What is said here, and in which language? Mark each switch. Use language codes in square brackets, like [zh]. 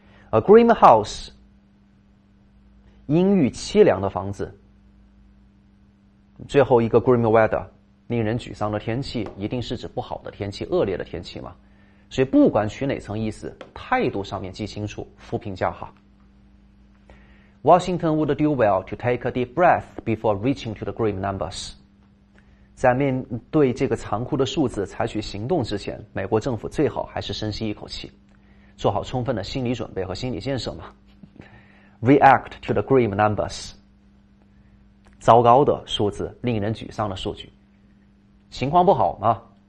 [en] A grim house， [zh] 阴郁凄凉的房子。最后一个 grim weather， 令人沮丧的天气，一定是指不好的天气，恶劣的天气嘛。所以不管取哪层意思，态度上面记清楚，复评价哈。 [en] Washington would do well to take a deep breath before reaching to the grim numbers。 [zh] 在面对这个残酷的数字采取行动之前，美国政府最好还是深吸一口气，做好充分的心理准备和心理建设嘛。 [en] React to the grim numbers， [zh] 糟糕的数字，令人沮丧的数据，情况不好嘛。